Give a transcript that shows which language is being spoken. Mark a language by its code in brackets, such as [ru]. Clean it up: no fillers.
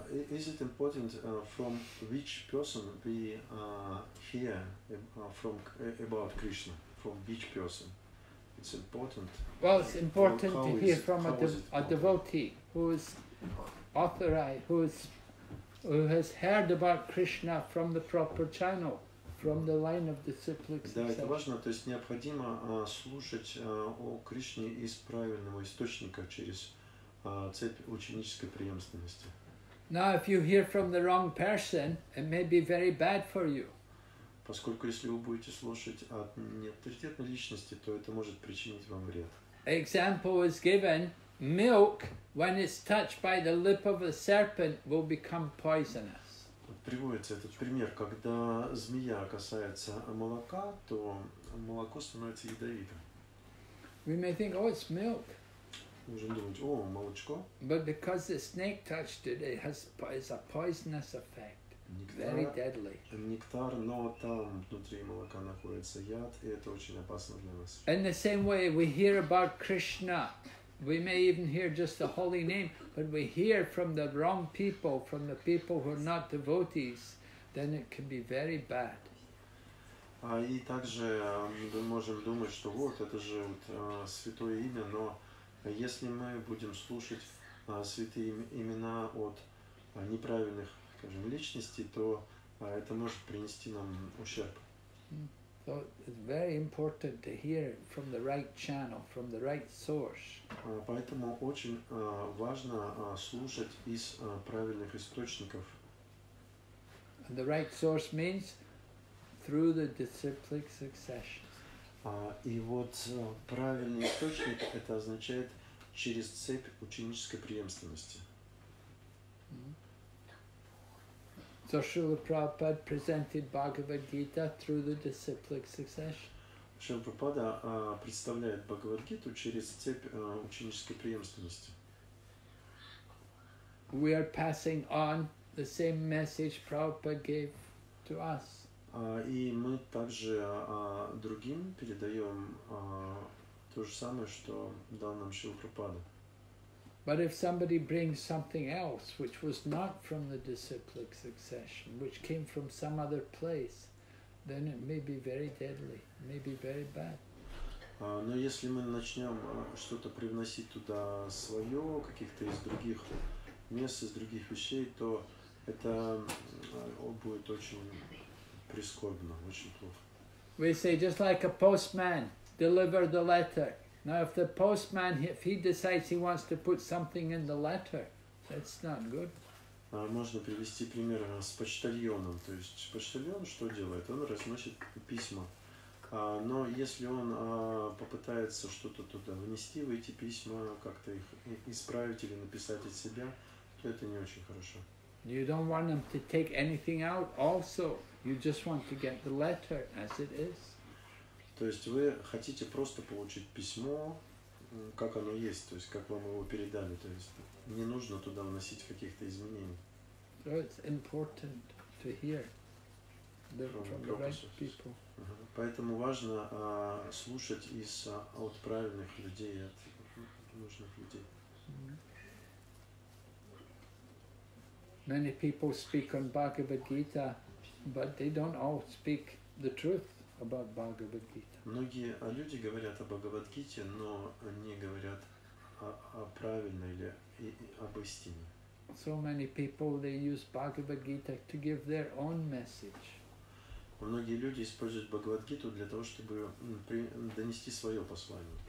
[en] Is it important from which person we hear from about Krishna? From which person? It's important. Well, it's important to hear from a devotee who is authorized, who has heard about Krishna from the proper channel, from the line of the cyclic succession. [ru] Да, это важно, то есть необходимо слушать о Кришне из правильного источника через цепь ученической преемственности. [en] Now, if you hear from the wrong person, it may be very bad for you. [ru] Поскольку если вы будете слушать от неавторитетной личности, то это может причинить вам вред. [en] Example was given: milk, when it's touched by the lip of a serpent, will become poisonous. [ru] Приводится этот пример, когда змея касается молока, то молоко становится ядовитым. [en] We may think, oh, it's milk. [ru] Можем думать, о, молочко. [en] But because the snake touched it, it has a poisonous effect, very deadly. [ru] Нектар, но там внутри молока находится яд, и это очень опасно для нас. [en] In the same way, we hear about Krishna, we may even hear just the holy name, but we hear from the wrong people, from the people who are not devotees, then it can be very bad. [ru] А и также мы можем думать, что вот это же вот святое имя, но если мы будем слушать святые имена от неправильных, скажем, личностей, то это может принести нам ущерб. [en] So it's very important to hear it from the right channel, from the right source. [ru] Поэтому очень важно слушать из правильных источников. [en] And the right source means through the disciplic succession. [ru] И вот правильный источник это означает через цепь ученической преемственности. [en] So Srila Prabhupada presented Bhagavad Gita through the disciplic succession. [ru] Srila Prabhupada представляет Бхагавад Гиту через цепь ученической преемственности. [en] We are passing on the same message Prabhupada gave to us. [ru] И мы также другим передаем то же самое, что дал нам Шрила Прабхупада. [en] But if somebody brings something else, which was not from the disciplic succession, which came from some other place, then it may be very deadly, may be very bad. [ru] Но если мы начнем что-то привносить туда свое, каких-то из других мест, из других вещей, то это будет очень прискорбно, очень плохо. [en] We say, just like a postman, deliver the letter. Now, if the postman, if he decides he wants to put something in the letter, that's not good. [ru] Можно привести пример с почтальоном. То есть почтальон что делает? Он разносит письма. Но если он попытается что-то туда внести в эти письма, как-то их исправить или написать от себя, то это не очень хорошо. [en] You don't want them to take anything out also. You just want to get the letter as it is. [ru] То есть вы хотите просто получить письмо, как оно есть, то есть как вам его передали. То есть не нужно туда вносить каких-то изменений. [en] So it's important to hear from the right people. [ru] Поэтому важно слушать из от правильных людей, от нужных людей. [en] Many people speak on Bhagavad Gita, but they don't all speak the truth about Bhagavad Gita. [ru] Многие люди говорят о Бхагавад Гите, но не говорят о правильной или об истине. [en] So many people they use Bhagavad Gita to give their own message. [ru] Многие люди используют Бхагавад Гиту для того, чтобы донести свое послание.